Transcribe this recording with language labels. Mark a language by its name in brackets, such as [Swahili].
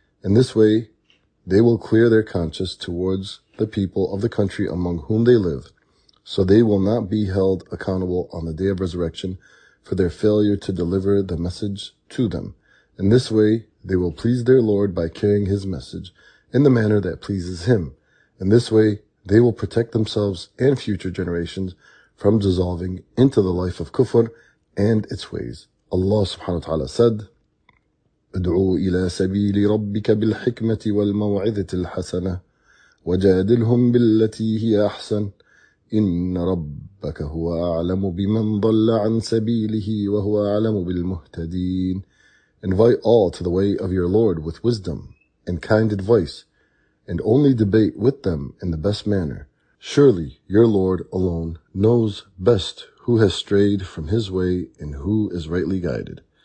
[English] In this way, they will clear their conscience towards the people of the country among whom they live, so they will not be held accountable on the day of resurrection for their failure to deliver the message to them. In this way, they will please their Lord by carrying his message in the manner that pleases him. In this way, they will protect themselves and future generations from dissolving into the life of kufr and its ways. Allah subhanahu wa ta'ala said, [Arabic] ادعوا إلى سبيل ربك بالحكمة والموعظة الحسنة وجادلهم بالتي هي أحسن إن ربك هو أعلم بمن ضل عن سبيله وهو أعلم بالمهتدين. [English] Invite all to the way of your Lord with wisdom and kind advice, and only debate with them in the best manner. Surely your Lord alone knows best who has strayed from his way and who is rightly guided.